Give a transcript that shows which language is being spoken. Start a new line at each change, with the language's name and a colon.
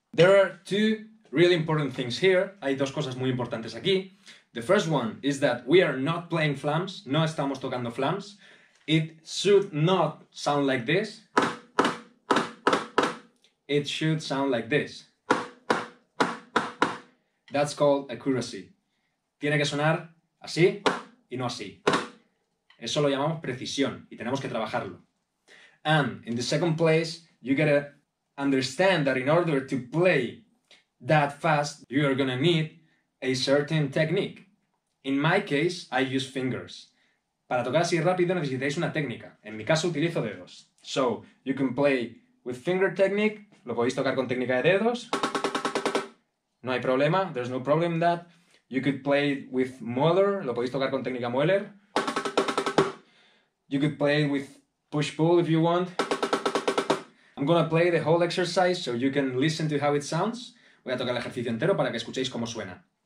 English: There are two really important things here.
Spanish: Hay dos cosas muy importantes aquí.
English: The first one is that we are not playing flams.
Spanish: No estamos tocando flams.
English: It should not sound like this. It should sound like this. That's called accuracy.
Spanish: Tiene que sonar así y no así. Eso lo llamamos precisión y tenemos que trabajarlo.
English: And in the second place, you gotta understand that in order to play that fast, you are gonna need a certain technique. In my case, I use fingers.
Spanish: Para tocar así rápido necesitáis una técnica. En mi caso utilizo dedos.
English: So you can play with finger technique.
Spanish: Lo podéis tocar con técnica de dedos. No hay problema.
English: There's no problem that. You could play with molar.
Spanish: Lo podéis tocar con técnica Mueller.
English: You could play with push-pull if you want. I'm gonna play the whole exercise so you can listen to how it sounds.
Spanish: Voy a tocar el ejercicio entero para que escuchéis cómo suena.